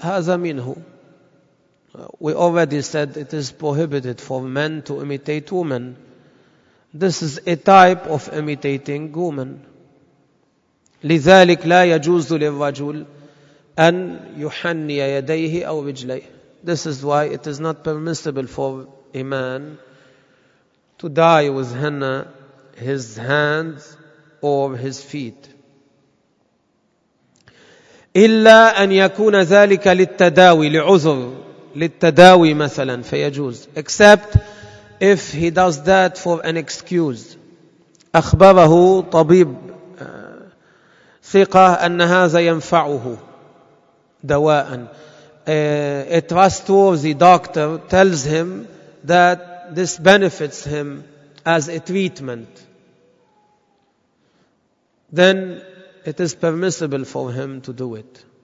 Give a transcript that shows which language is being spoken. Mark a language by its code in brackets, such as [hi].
[ar] هذا منه. [en] We already said it is prohibited for men to imitate women. This is a type of imitating women. [ar] لذلك لا يجوز للرجل أن يحني يديه أو رجليه. [en] This is why it is not permissible for a man to dye with henna his hands or his feet. [ar] إلا أن يكون ذلك للتداوي, لعذر, للتداوي مثلا فيجوز. [en] Except if he does that for an excuse. [ar] أخبره طبيب ثقة أن هذا ينفعه دواء. [en] A trustworthy doctor tells him that this benefits him as a treatment. Then it is permissible for him to do it.